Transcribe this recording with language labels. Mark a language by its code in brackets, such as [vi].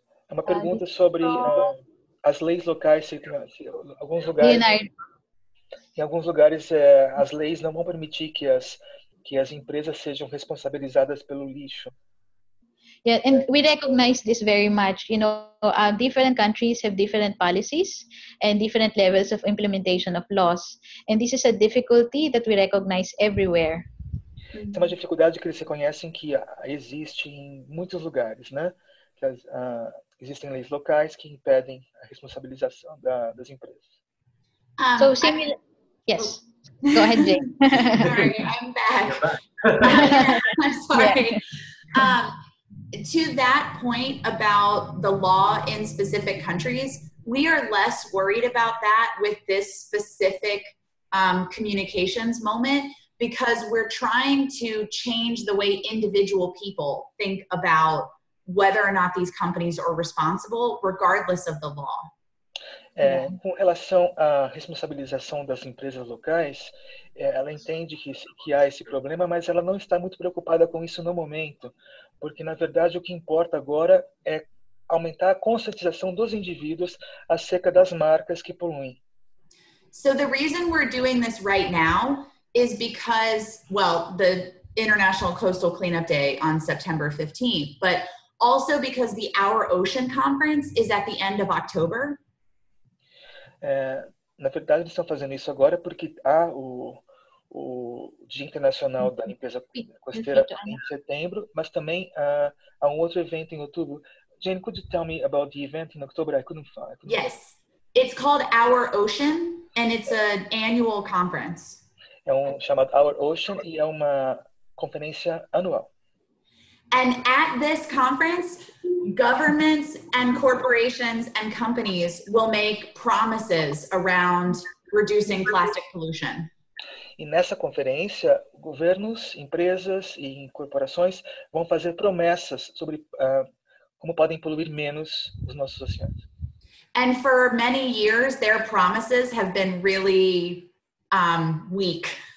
[pt] Uma pergunta sobre as leis locais, alguns lugares. [en] United. [pt] Em alguns lugares, as leis não vão permitir que as empresas sejam responsabilizadas pelo lixo. [en] Yeah, and we recognize this very much. You know, different countries have different policies and different levels of implementation of laws. And this is a difficulty that we recognize everywhere. [pt] É uma dificuldade que eles reconhecem que existe em muitos lugares, né? Que existem leis locais que impedem a responsabilização das empresas. [en] So similar. Yes. Go ahead, Jane. Sorry, I'm back. I'm sorry. To that point about the law in specific countries, we are less worried about that with this specific communications moment because we're trying to change the way individual people think about whether or not these companies are responsible, regardless of the law. [pt] Com relação à responsabilização das empresas locais, ela entende que há esse problema, mas ela não está muito preocupada com isso no momento, porque, na verdade, o que importa agora é aumentar a conscientização dos indivíduos acerca das marcas que poluem. [en] So the reason we're doing this right now is because, well, the International Coastal Cleanup Day on September 15th, but also because the Our Ocean Conference is at the end of October. [pt] Na verdade, eles estão fazendo isso agora porque há o Dia Internacional da Limpeza Costeira em setembro, mas também há um outro evento em outubro. [en] Jane, could you tell me about the event in October? I couldn't find. Yes, it's called Our Ocean, and it's an annual conference. [pt] É um chamado Our Ocean e é uma conferência anual. [en] And at this conference, governments and corporations and companies will make promises around reducing plastic pollution. [pt] E nessa conferência, governos, empresas e corporações vão fazer promessas sobre como podem poluir menos os nossos oceanos. [en] And for many years, their promises have been really weak.